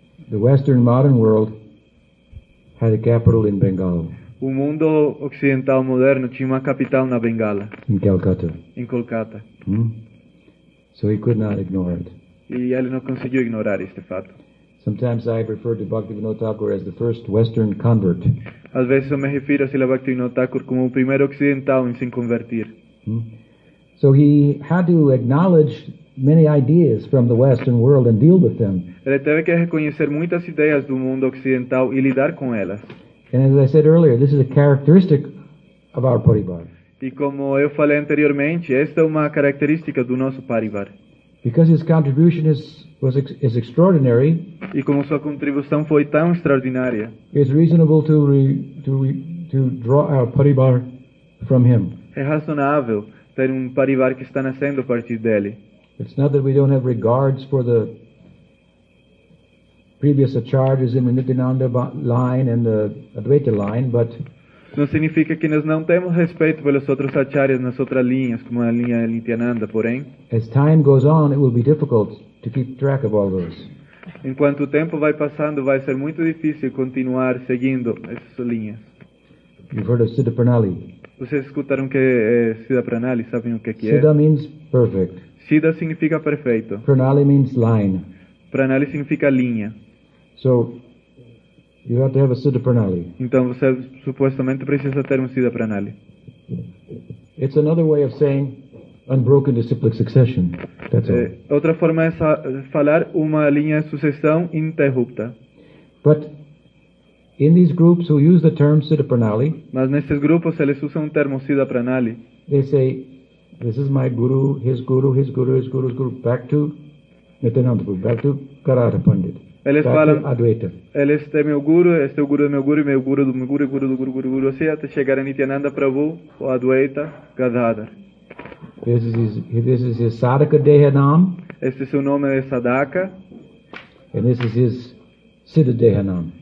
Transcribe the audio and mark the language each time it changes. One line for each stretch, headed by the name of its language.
English: the Western modern world had a capital in Bengal.
Portuguese: O mundo ocidental moderno tinha uma capital na Bengala.
English: In Calcutta.
Portuguese: Em Kolkata.
English: So he could not ignore it.
Portuguese: E ele não conseguiu ignorar este fato.
English: Sometimes I refer to Bhaktivinoda Thakur as the first Western convert.
Portuguese: Às vezes eu me refiro a Srila Bhaktivinoda Thakur como o primeiro ocidental em se convertir.
English: So he had to acknowledge many ideas from the Western world and deal with them.
Portuguese: Ele teve que reconhecer muitas ideias do mundo ocidental e lidar com elas.
English: And as I said earlier, this is a characteristic of our Parivar.
Portuguese: E como eu falei anteriormente, esta é uma característica do nosso Parivar.
English: Because his contribution is extraordinary.
Portuguese: E como sua contribuição foi tão extraordinária.
English: It's reasonable to draw our Parivar from him.
Portuguese: É razonável ter Parivar que está nascendo a partir dele.
English: It's not that we don't have regards for the previous acharyas in the Nityananda line and the Advaita line, but
Portuguese: não significa que nós não temos respeito pelos outros acharyas nas outras linhas, como a linha de Nityananda, porém.
English: As time goes on, it will be difficult to keep track of all those.
Portuguese: Enquanto o tempo vai passando, vai ser muito difícil continuar seguindo essas linhas.
English: You've heard of Siddha Pranali.
Portuguese: Vocês escutaram que é Siddha Pranali, sabem o que é?
English: Siddha means perfect.
Portuguese: Siddha significa perfeito.
English: Pranali means line.
Portuguese: Pranali significa linha.
English: So, you have to have a Siddha Pranali.
Portuguese: Então você supostamente precisa ter Siddha Pranali.
English: It's another way of saying unbroken disciplic succession. That's all.
Portuguese: Outra forma é falar uma linha de sucessão interrupta.
English: But in these groups who use the term Siddha Pranali,
Portuguese: mas nesses grupos eles usam o termo Siddha Pranali,
English: they say, this is my guru, his guru, his guru, his guru's guru, back to Nityananda, back to Karata Pandit.
Portuguese: Eles falam, Advaita. Eles têm meu guru, este é o guru do meu guru, meu guru do meu guru, guru do guru, guru, guru, assim até chegar a Nityananda Prabhu, ou Advaita, Gadadhar.
English: This is his Sadaka Dehanam.
Portuguese: Este é seu nome de Sadaka.
English: And this is his Siddha Dehanam.